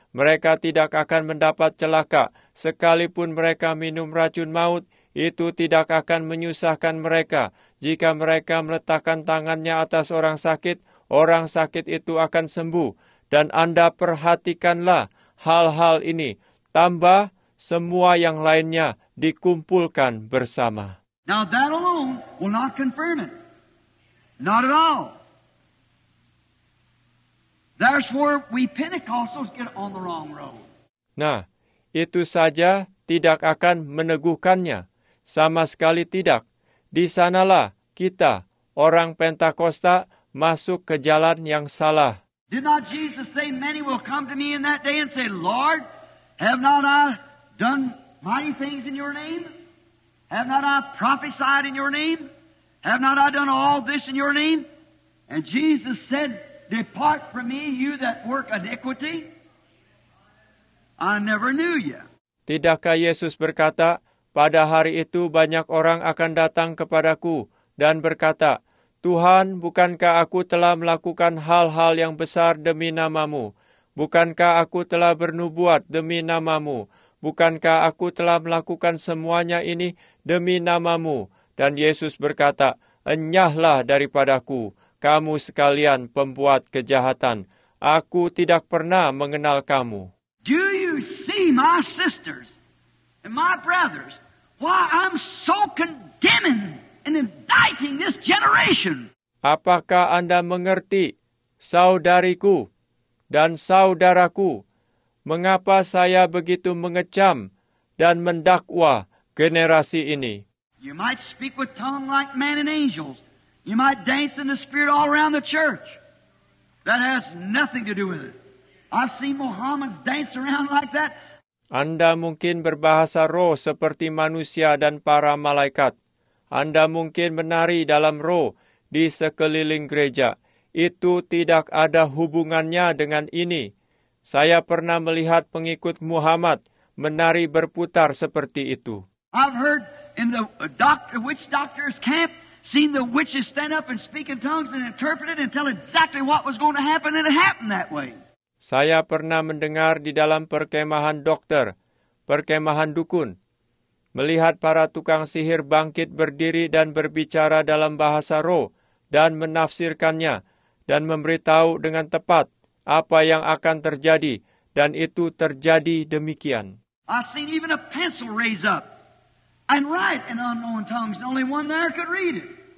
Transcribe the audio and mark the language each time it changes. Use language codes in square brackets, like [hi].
[id] Mereka tidak akan mendapat celaka. Sekalipun mereka minum racun maut, itu tidak akan menyusahkan mereka. Jika mereka meletakkan tangannya atas orang sakit itu akan sembuh. Dan Anda perhatikanlah hal-hal ini. Tambah semua yang lainnya dikumpulkan bersama. [en] Now that alone will not confirm it. Not at all. That's where we Pentecostals get on the wrong road. [id] Nah, itu saja tidak akan meneguhkannya. Sama sekali tidak. Di sanalah kita, orang Pentakosta, masuk ke jalan yang salah. [en] Did not Jesus say many will come to me in that day and say, Lord, have not I done mighty things in your name? Have not I prophesied in your name? Have not I done all this in your name? And Jesus said, depart from me, you that work iniquity. I never knew you. [id] Tidakkah Yesus berkata, pada hari itu banyak orang akan datang kepadaku dan berkata, Tuhan, bukankah aku telah melakukan hal-hal yang besar demi namamu? Bukankah aku telah bernubuat demi namamu? Bukankah aku telah melakukan semuanya ini demi namamu? Dan Yesus berkata, enyahlah daripadaku, kamu sekalian pembuat kejahatan. Aku tidak pernah mengenal kamu. [en] Do you see my sisters and my brothers? Why I'm so condemning and indicting this generation. [id] Apakah Anda mengerti, saudariku dan saudaraku, mengapa saya begitu mengecam dan mendakwa generasi ini? [en] You might speak with tongue like men and angels. You might dance in the spirit all around the church. That has nothing to do with it. I've seen Mohammeds dance around like that. [id] Anda mungkin berbahasa roh seperti manusia dan para malaikat. Anda mungkin menari dalam roh di sekeliling gereja. Itu tidak ada hubungannya dengan ini. Saya pernah melihat pengikut Muhammad menari berputar seperti itu. [en] I've heard in the witch doctor's camp, seen the witches stand up and speak in tongues and interpret it and tell exactly what was going to happen, and it happened that way. [id] Saya pernah mendengar di dalam perkemahan dokter, perkemahan dukun, melihat para tukang sihir bangkit berdiri dan berbicara dalam bahasa roh dan menafsirkannya dan memberitahu dengan tepat apa yang akan terjadi, dan itu terjadi demikian. [en] I've seen even a pencil raise up and write in unknown tongues, and only one there could read it.